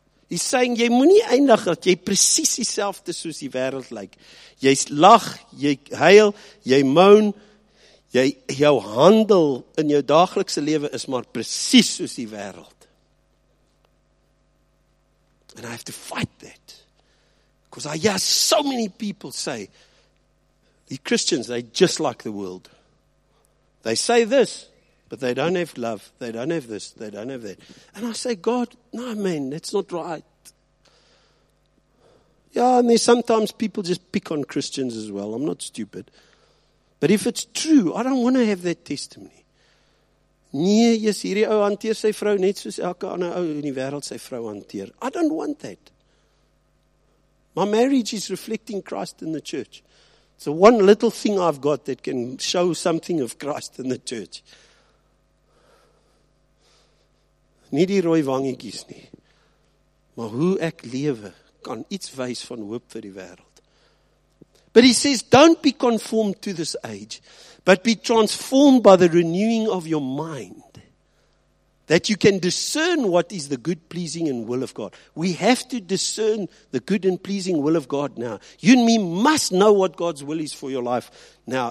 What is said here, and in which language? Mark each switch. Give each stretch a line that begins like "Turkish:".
English: He's saying,
Afrikaans: jy moet nie eindig dat jy precies dieselfde soos die wêreld lyk. Jy lag, jy huil, jy moan, jou handel in jou daaglikse lewe is maar precies soos die wêreld.
English: And I have to fight that. Because I hear so many people say, the Christians, they just like the world. They say this, but they don't have love. They don't have this. They don't have that. And I say, God, no, man, that's not right. Yeah, and there's sometimes people just pick on Christians as well. I'm not stupid. But if it's true, I don't want to have that testimony.
Afrikaans: Nee, jy's hierdie ou hanteer sy vrou net soos elke ander ou in die wêreld sy vrou hanteer.
English: I don't want that. My marriage is reflecting Christ in the church. So one little thing I've got that can show something of Christ in the church.
Afrikaans: Nie die rooi wangetjies nie. Maar hoe ek lewe kan iets wys van hoop vir die wêreld.
English: But he says, don't be conformed to this age, but be transformed by the renewing of your mind, that you can discern what is the good, pleasing, and will of God. We have to discern the good and pleasing will of God now. You and me must know what God's will is for your life now.